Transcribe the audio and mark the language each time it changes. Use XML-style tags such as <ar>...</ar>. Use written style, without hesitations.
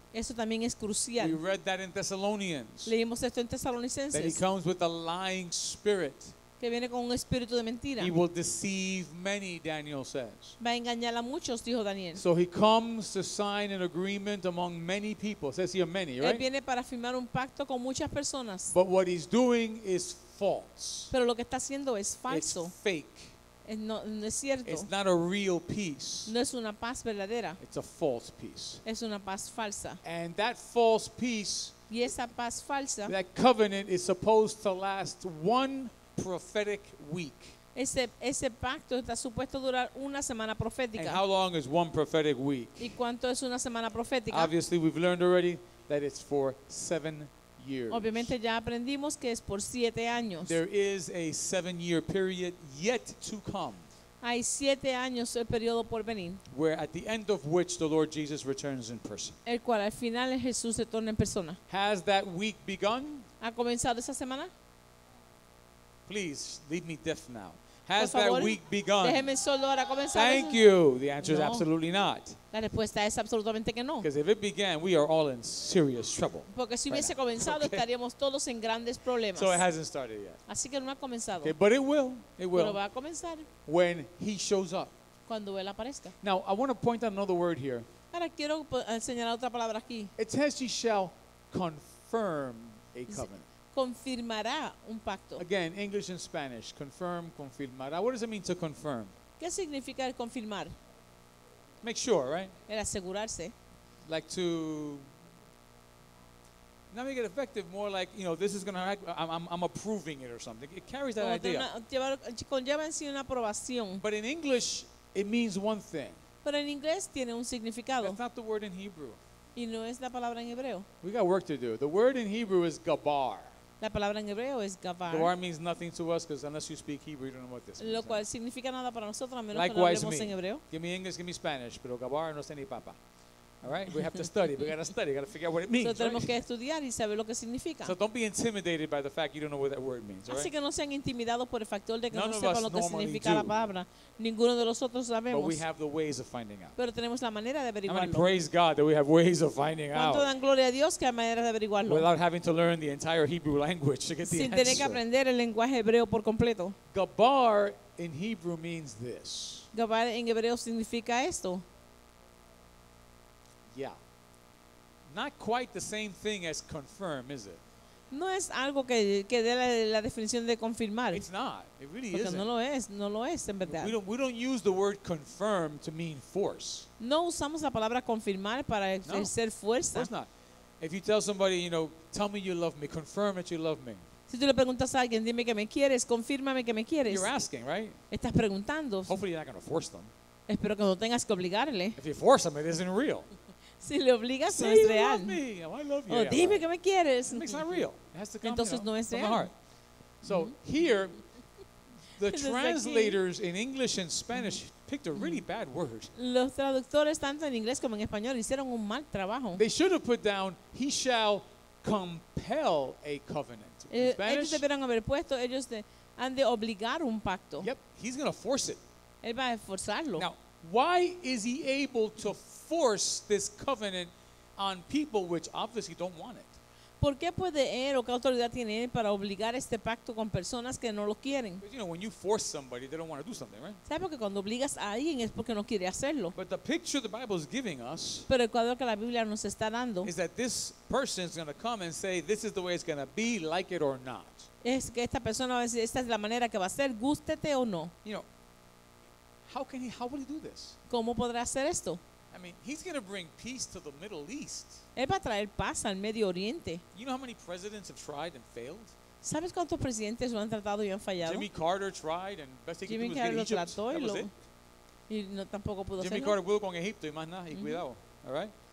<es>Eso también es crucial.</es> <en>We read that in Thessalonians.</en> <es>Leímos esto en Tesalonicenses.</es> <en>That he comes with a lying spirit.</en> <es>Que viene con un espíritu de mentira.</es> <en>He will deceive many, Daniel says.</en> <es>Va a engañar a muchos, dijo Daniel.</es> <en>So he comes to sign an agreement among many people. Says here many, right?</en> <es>Él viene para firmar un pacto con muchas personas.</es> <en>But what he's doing is false.</en> <es>Pero lo que está haciendo es falso.</es> <en>It's fake.</en> <es>No es cierto.</es> <en>It's not a real peace.</en> <es>No es una paz verdadera.</es> <en>It's a false peace.</en> <es>Es una paz falsa.</es> <en>And that false peace,</en> <es>y esa paz falsa,</es> <en>that covenant is supposed to last one prophetic week.</en> <es>Ese pacto está supuesto durar una semana profética.</es> <en>And how long is one prophetic week?</en> <es>¿Y cuánto es una semana profética?</es> <en>Obviously, we've learned already that it's for 7 years.</en> <es>Obviamente ya aprendimos que es por 7 años.</es> <en>There is a 7-year period yet to come.</en> <es>Hay 7 años el periodo por venir.</es> <en>Where at the end of which the Lord Jesus returns in person.</en> <es>El cual al final Jesús retorna en persona.</es> <en>Has that week begun?</en> <es>¿Ha comenzado esa semana?</es> <en>Please leave me deaf now. Has that week begun?</en> <es>Déjeme solo ahora comenzar.</es> <en>Thank you. The answer is absolutely not.</en> <es>La respuesta es absolutamente que no.</es> <en>Because if it began, we are all in serious trouble.</en> <es>Porque si hubiese comenzado, estaríamos todos en grandes problemas.</es> <en>So it hasn't started yet.</en> <es>Así que no ha comenzado.</es> <en>Okay, but it will. It will.</en> <es>Pero va a comenzar.</es> <en>When he shows up.</en> <es>Cuando él aparezca.</es> <en>Now I want to point out another word here.</en> <es>Ahora quiero señalar otra palabra aquí.</es> <en>It says he shall confirm a covenant.</en> <es>Confirmará un pacto.</es> <en>Again, English and Spanish. Confirm, confirmará. What does it mean to confirm?</en> <es>¿Qué significa el confirmar?</es> <en>Make sure, right?</en> <es>El asegurarse.</es> <en>Like to not make it effective, more like, you know, this is going to happen. I'm approving it or something. It carries that idea.</en> <es>Conlleva en sí una aprobación.</es> <en>But in English, it means one thing.</en> <es>Pero en inglés tiene un significado.</es> <en>That's not the word in Hebrew.</en> <es>Y no es la palabra en hebreo.</es> <en>We got work to do. The word in Hebrew is gabar.</en> <es>La palabra en hebreo es gavar.</es> <en>Gavar means nothing to us because unless you speak Hebrew, you don't know what this means. Lo cual significa nada para nosotros a menos que hablemos en hebreo. Give me English, give me Spanish,</en> <es>pero gavar no sé ni papa.</es> <en>All right, we have to study. We got to study. Got to figure out what it means.</en> <es>So tenemos que estudiar y saber lo que significa.</es> <en>So don't be intimidated by the fact you don't know what that word means.</en> <es>Así que no sean intimidados por el factor de que no sepan lo que significa la palabra. Ninguno de nosotros sabemos.</es> <en>But we have the ways of finding out.</en> <es>Pero tenemos la manera de averiguarlo.</es> <en>I mean, praise God that we have ways of finding out.</en> <es>¿Cuánto dan gloria a Dios que hay maneras de averiguarlo?</es> <en>Without having to learn the entire Hebrew language to get the answer.</en> <es>Sin tener que aprender el lenguaje hebreo por completo.</es> <en>Gabar in Hebrew means this.</en> <es>Gabar en hebreo significa esto.</es> <en>Yeah. Not quite the same thing as confirm, is it?</en> <es>No es algo que dé la definición de confirmar.</es> <en>It's not. It really</en> <es>Porque</es> <en>isn't.</en> <es>No lo es, no lo es en verdad.</es> <en>We don't use the word confirm to mean force.</en> <es>No usamos la palabra confirmar para ejercer fuerza.</es> <en>Of course not. If you tell somebody, you know, tell me you love me, confirm that you love me.</en> <es>Si tú le preguntas a alguien, dime que me quieres, confírmame que me quieres.</es> <en>You're asking, right?</en> <es>Estás preguntando.</es> <en>Hopefully you're not going to force them.</en> <es>Espero que no tengas que obligarle.</es> <en>If you force them, it isn't real.</en> <es>Si le obligas,</es> <en>say</en> <es>no es real.</es> <en>Love me. Oh, I love you.</en> <es>Oh, dime que me quieres.</es> <en>It's not real. It has to come,</en> <es>entonces,</es> <en>you know,</en> <es>no es real.</es> <en>From the heart. So here, the translators in English and Spanish picked a really bad word.</en> <es>Los traductores tanto en inglés como en español hicieron un mal trabajo.</es> <en>They should have put down, he shall compel a covenant.</en> <es>Spanish, ellos debieron haber puesto, ellos han de obligar un pacto.</es> <en>Yep, he's going to force it.</en> <es>Él va a forzarlo.</es> <en>Now, why is he able to force this covenant on people which obviously don't want it?</en> <es>¿Por qué puede él o qué autoridad tiene él para obligar este pacto con personas que no lo quieren?</es> <en>Because, you know, when you force somebody, they don't want to do something, right?</en> <es>¿Sabes? Porque cuando obligas a alguien es porque no quiere hacerlo.</es> <en>But the picture the Bible is giving us,</en> <es>pero el cuadro que la Biblia nos está dando,</es> <en>is that this person is going to come and say, this is the way it's going to be, like it or not.</en> <es>Es que esta persona va a decir, esta es la manera que va a ser, gústete o no.</es> <en>You know, how will he do this?</en> <es>¿Cómo podrá hacer esto?</es> <en>I mean, he's going to bring peace to the Middle East.</en> <es>Él va a traer paz al Medio Oriente.</es> <en>You know how many presidents have tried and failed?</en> <es>¿Sabes cuántos presidentes lo han tratado y han fallado?</es> <en>Jimmy Carter tried and best he Jimmy could do was Carter get Egypt.</en> <es>Lo trató y lo, no, tampoco pudo Jimmy hacerlo. Carter pudo con Egipto y más nada, y cuidado,</es> <en>all right?</en>